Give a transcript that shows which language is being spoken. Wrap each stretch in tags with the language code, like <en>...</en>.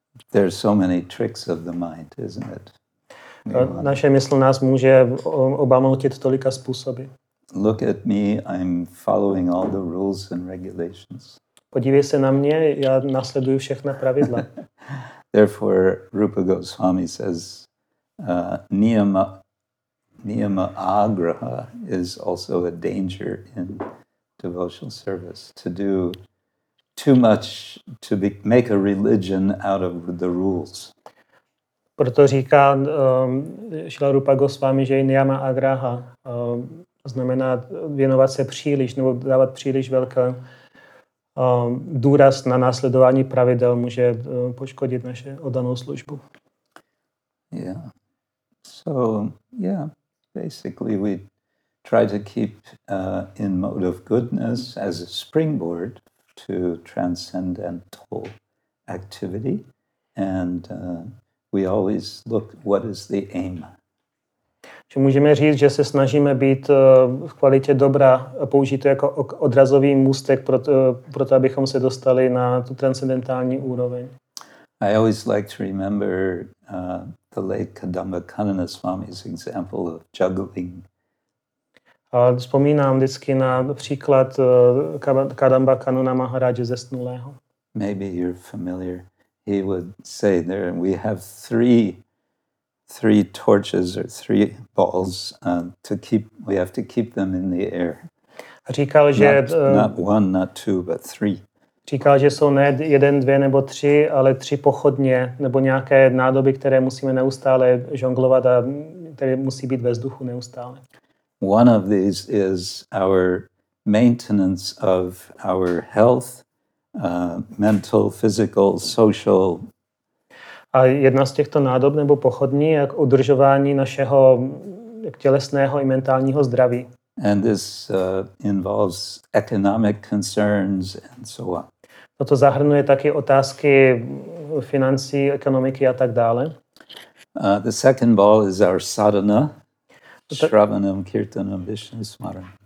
<en>There are so many tricks of the mind, isn't it?</en> <cs>Naše mysl nás může obamoutit tolika způsoby.</cs> <en>Look at me, I'm following all the rules and regulations.</en> <cs>Podívej se na mě, já nasleduju všechna pravidla.</cs> <en>Therefore, Rupa Goswami says, niyama agraha is also a danger in devotional service. To do too much, to be, make a religion out of the rules.</en> <cs>Proto říká Šila Rupa Goswami, že niyama agraha znamená věnovat se příliš nebo dávat příliš velké důraz na následování pravidel může poškodit naše oddanou službu. Yeah.</cs> <en>So, yeah, basically we try to keep in mode of goodness as a springboard to transcendental activity and we always look what is the aim.</en> <cs>Že můžeme říct, že se snažíme být v kvalitě dobra použít to jako odrazový můstek pro to, abychom se dostali na tu transcendentální úroveň.</cs> <en>I always like to remember the late Kadamba Kanana Swami's example of juggling.</en> <cs>Vzpomínám vždycky na příklad Kadamba Kanuna Maharaje zesnulého.</cs> <en>Maybe you're familiar. He would say there we have three torches or three balls we have to keep them in the air.</en> <cs>A říkal, že</cs> <en>not one, not two, but three.</en> <cs>Říkal, že jsou ne jeden, dvě nebo tři, ale tři pochodně nebo nějaké nádoby, které musíme neustále žonglovat a které musí být ve vzduchu neustále.</cs> <en>One of these is our maintenance of our health, mental, physical, social.</en> <cs>A jedna z těchto nádob nebo pochodní je udržování našeho tělesného i mentálního zdraví.</cs> <en>And this involves economic concerns and so on.</en> <cs>Toto zahrnuje taky otázky financí, ekonomiky a tak dále.</cs> <en>The second ball is our sadhana, shravanam, kirtanam, vishnu, smaran.</en>